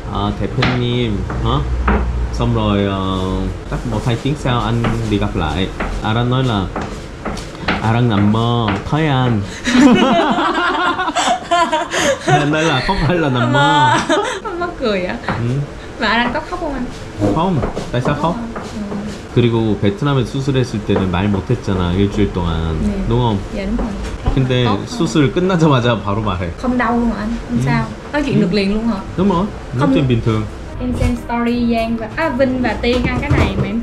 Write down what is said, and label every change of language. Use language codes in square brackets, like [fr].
[vi] À, đại phiên님 hả? Xong rồi chắc một hai tiếng sau anh đi gặp lại. Aran nói là Aran nằm mơ thấy anh. Anh nói là không phải là nằm mơ. Anh mắc cười á. Mà Aran có khóc không anh? Không. Tại sao khóc? [ko] 그리고 베트남에 수술했을 때는 말 못했잖아 일주일 동안. 네. 너무. 근데 수술 끝나자마자 바로 말해. 그럼 나오고 안? 괜찮아. 아, 그 능력 링 [vi] luôn hả? Đúng rồi. Nói chuyện bình thường. Em xem story Giang và à, Vinh và Tiên ăn cái này mà em